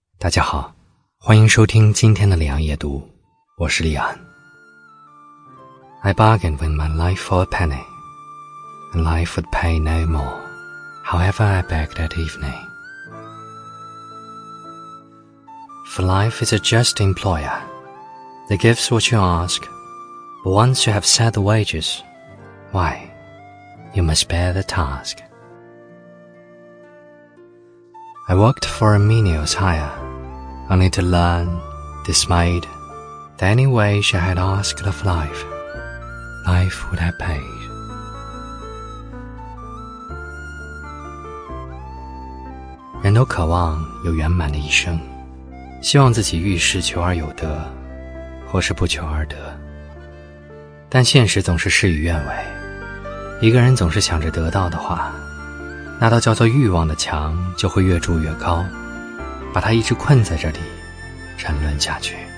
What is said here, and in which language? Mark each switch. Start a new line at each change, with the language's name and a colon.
Chinese: 大家好，欢迎收听今天的李昂夜读，我是李昂。
English: I bargained with my life for a penny, and life would pay no more, however I begged at evening. For life is a just employer, the gifts what you ask, but once you have set the wages, why, you must bear the task. I worked for a menial's hire,only to learn, dismayed, that any wage I had asked of life, life would have paid.
Chinese: 人都渴望有圆满的一生，希望自己遇事求而有得，或是不求而得。但现实总是事与愿违，一个人总是想着得到的话，那道叫做欲望的墙就会越筑越高，把他一直困在这里沉沦下去。